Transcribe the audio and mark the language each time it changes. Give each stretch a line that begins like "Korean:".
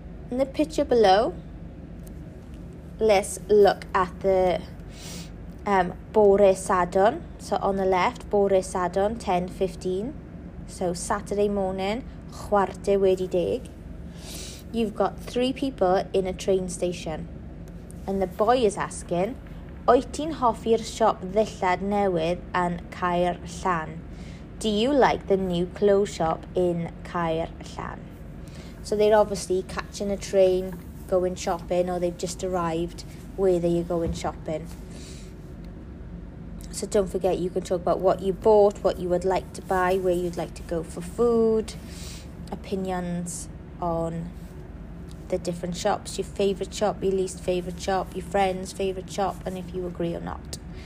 English: In the picture below, let's look at the Bore Sadwrn. So on the left, Bore Sadwrn 10:15. So Saturday morning, 9:15. You've got 3 people in a train station. And the boy is asking,
Welsh: Wyt ti'n hoffi'r siop ddillad newydd yn Caer Llan?
English: Do you like the new clothes shop in Caer Llan? So they're obviously catching a train, going shopping, or they've just arrived where they are going shopping. So don't forget, you can talk about what you bought, what you would like to buy, where you'd like to go for food, opinions on the different shops, your favourite shop, your least favourite shop, your friend's favourite shop, and if you agree or not.